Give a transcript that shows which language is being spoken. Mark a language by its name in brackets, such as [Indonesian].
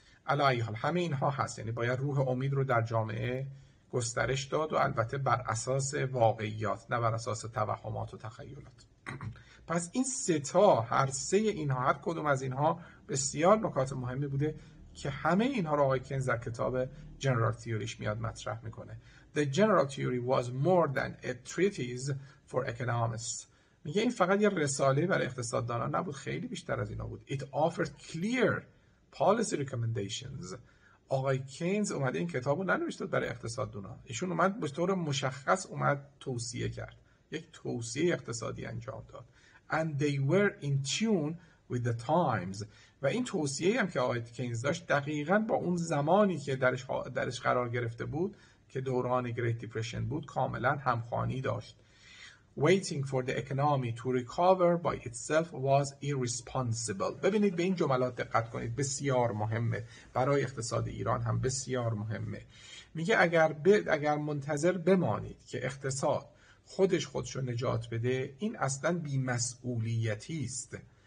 [Persian] علی حال همه اینها هست، یعنی باید روح امید رو در جامعه گسترش داد و البته بر اساس واقعیات نه بر اساس توهمات و تخیلات. پس این سه تا، هر سه اینها، هر کدوم از اینها بسیار نکات مهمی بوده که همه اینها رو آقای کینز در کتاب جنرال تیوریش میاد مطرح میکنه. [English] The general theory was more than a treatise for economists. [Persian] میگه این فقط یه رساله برای اقتصاددانان نبود، خیلی بیشتر از اینا بود. [English] It offered clear policy recommendations. [Persian] آقای کینز اومده این کتاب رو ننوشته برای اقتصاددونا، ایشون اومد به طور مشخص اومد توصیه کرد، یک توصیه اقتصادی انجام داد. [English] And they were in tune with the times. [Persian] و این توصیه هم که آقای کینز داشت دقیقا با اون زمانی که درش قرار گرفته بود که دوران Great Depression بود کاملا همخوانی داشت. [English] Waiting for the economy to recover by itself was irresponsible. [Persian] ببینید به این جملات دقت کنید، بسیار مهمه، برای اقتصاد ایران هم بسیار مهمه. میگه اگر منتظر بمانید که اقتصاد خودش رو نجات بده، این اصلا بیمسئولیتی است.